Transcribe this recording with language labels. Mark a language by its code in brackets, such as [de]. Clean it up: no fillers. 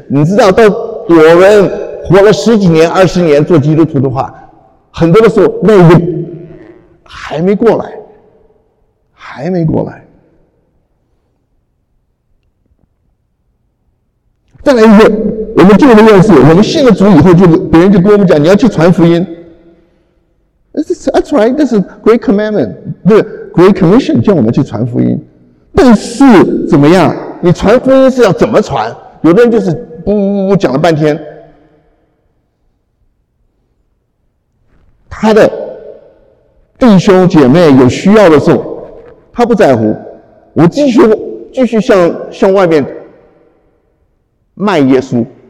[zh] 你知道，到我们活了十几年、二十年做基督徒的话，很多的时候那个。还没过来。再来一个，我们旧的认识，我们信了主以后就，别人就跟我们讲，你要去传福音。 [en] That's right, that's a great commandment. [zh] The great commission 叫我们去传福音。但是怎么样？你传福音是要怎么传？有的人就是不讲了半天，他的弟兄姐妹有需要的时候，他不在乎，我继续向外面卖耶稣。